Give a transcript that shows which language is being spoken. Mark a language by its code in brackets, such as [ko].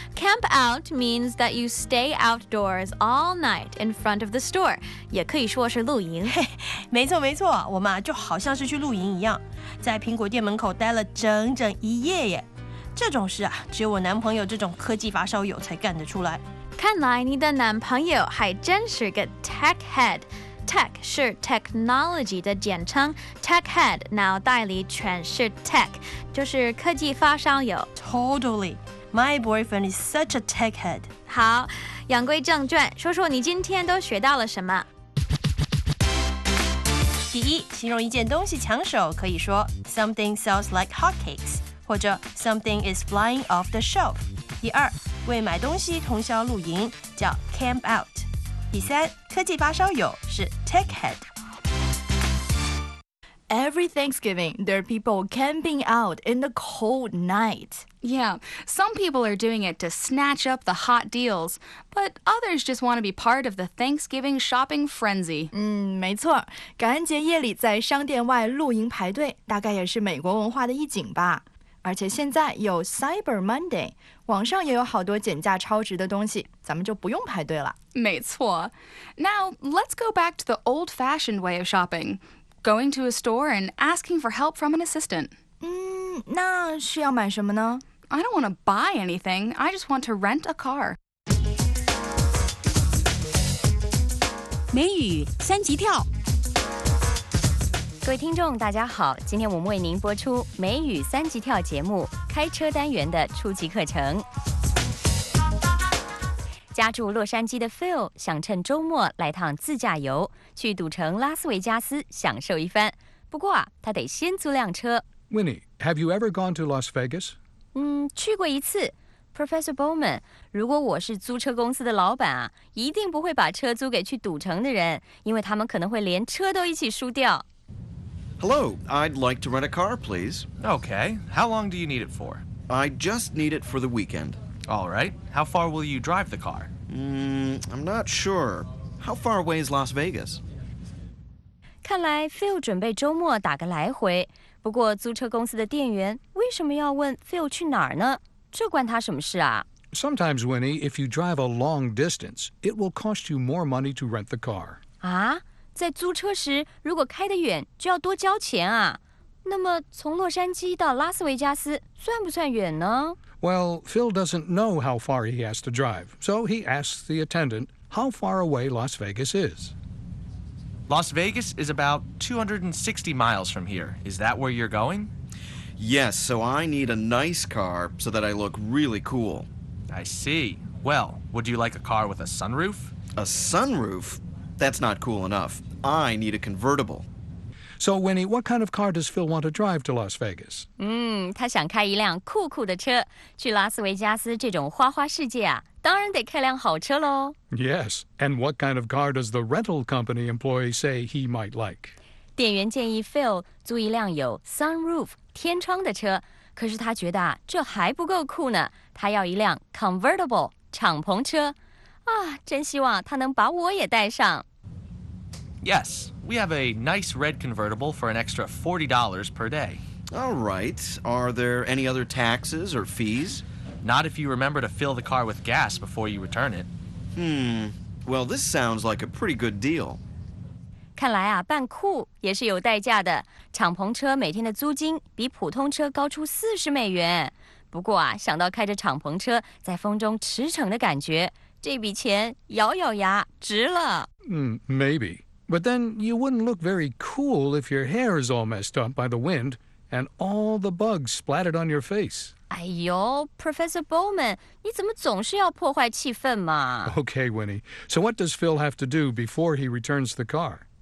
[en] Camp out means that you stay outdoors all night in front of the store. [zh] 也可以说是露营。没错没错，我们啊就好像是去露营一样，在苹果店门口待了整整一夜耶。这种事啊，只有我男朋友这种科技发烧友才干得出来。看来你的男朋友还真是个 tech head. Tech 是 technology 的简称 ，tech head 脑袋里全是 tech， 就是科技发烧友。 [en] Totally, my boyfriend is such a tech head. [zh] 好，言归正传，说说你今天都学到了什么？第一，形容一件东西抢手，可以说 [en] something sells like hotcakes， [zh] 或者 [en] something is flying off the shelf。 [zh] 第二。为买东西通宵露营叫 camp out。第三，科技发烧友是 tech head。 [en] Every Thanksgiving, there are people camping out in the cold night. Yeah, some people are doing it to snatch up the hot deals, but others just want to be part of the Thanksgiving shopping frenzy. [zh] 没错，感恩节夜里在商店外露营排队，大概也是美国文化的一景吧。而且现在有 Cyber Monday， 网上也有好多减价超值的东西，咱们就不用排队了。没错。 [en] Now, let's go back to the old-fashioned way of shopping. Going to a store and asking for help from an assistant. [zh] 那是要买什么呢？ [en] I don't want to buy anything. I just want to rent a car. [zh] 美语三级跳。各位听众大家好，今天我们为您播出美语三级跳节目开车单元的初级课程。家住洛杉矶的 Phil 想趁周末来趟自驾游，去赌城拉斯维加斯享受一番，不过啊，他得先租辆车。 [en] Winnie, have you ever gone to Las Vegas? [zh] 去过一次。Professor Bowman, 如果我是租车公司的老板啊，一定不会把车租给去赌城的人，因为他们可能会连车都一起输掉。 [en] Hello, I'd like to rent a car, please. Okay, how long do you need it for? I just need it for the weekend. All right, how far will you drive the car? I'm not sure. How far away is Las Vegas? [zh] 看来 Phil 准备周末打个来回，不过租车公司的店员为什么要问 Phil 去哪儿呢？这关他什么事啊？ [en] Sometimes, Winnie, if you drive a long distance, it will cost you more money to rent the car. [zh] 啊？在租车时，如果开得远，就要多交钱啊。那么，从洛杉矶到拉斯维加斯算不算远呢？ [en] Well, Phil doesn't know how far he has to drive, so he asks the attendant how far away Las Vegas is. Las Vegas is about 260 miles from here. Is that where you're going? Yes, so I need a nice car so that I look really cool. I see. Well, would you like a car with a sunroof? A sunroof? That's not cool enough. I need a convertible. So, Winnie, what kind of car does Phil want to drive to Las Vegas? [zh] 他想开一辆酷酷的车。去拉斯维加斯这种花花世界啊，当然得开辆好车咯。 [en] Yes, and what kind of car does the rental company employee say he might like? [zh] 店员建议 Phil 租一辆有 sunroof, 天窗的车。可是他觉得啊，这还不够酷呢。他要一辆 convertible, 敞篷车。真希望他能把我也带上。 [en] Yes, we have a nice red convertible for an extra $40 per day. All right, are there any other taxes or fees? Not if you remember to fill the car with gas before you return it. Well, this sounds like a pretty good deal. [zh] 看来啊，办酷也是有代价的。敞篷车每天的租金比普通车高出$40。不过啊，想到开着敞篷车在风中驰骋的感觉，这笔钱咬咬牙值了。 [en] Maybe. But then you wouldn't look very cool if your hair is all messed up by the wind and all the bugs splattered on your face. [zh] 哎呦, Professor Bowman, 你怎么总是要破坏气氛嘛? [en] Okay, Winnie. So what does Phil have to do before he returns the car?